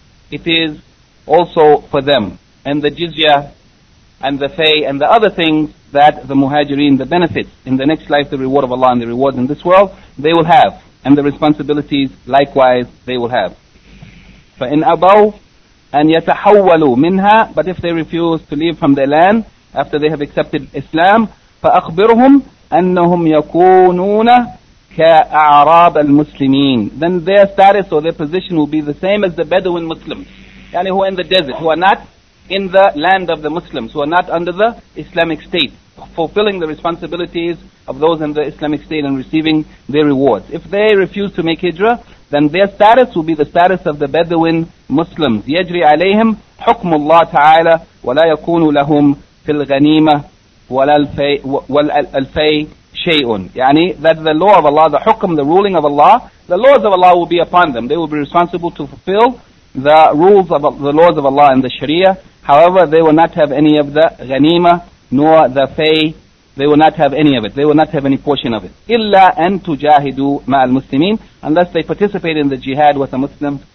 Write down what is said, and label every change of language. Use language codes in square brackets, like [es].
[en] It is also for them. And the jizya and the fay and the other things that the muhajireen, the benefits in the next life, the reward of Allah and the reward in this world, they will have. And the responsibilities, likewise, they will have. [ar] فَإِنْ أَبَوْا أَنْ يَتَحَوَّلُوا مِنْهَا. [en] But if they refuse to leave from their land after they have accepted Islam, [ar] فَأَخْبِرْهُمْ أنهم يكونون كأعراب المسلمين. [en] Then their status or their position will be the same as the Bedouin Muslims. يعني who are in the desert, who are not in the land of the Muslims, who are not under the Islamic State, fulfilling the responsibilities of those in the Islamic State and receiving their rewards. If they refuse to make hijrah, then their status will be the status of the Bedouin Muslims. [ar] يجري عليهم حكم الله تعالى ولا يكون لهم في الغنيمة ولا الفي شيء. [en] يعني that the law of Allah, the hukm, the ruling of Allah, the laws of Allah will be upon them. They will be responsible to fulfill the rules of the laws of Allah and the Sharia. However, they will not have any of the ghanima nor the fay. They will not have any of it. They will not have any portion of it. [ar] Illa an tujahidu ma'al muslimin, [en] unless they participate in the jihad with the Muslims.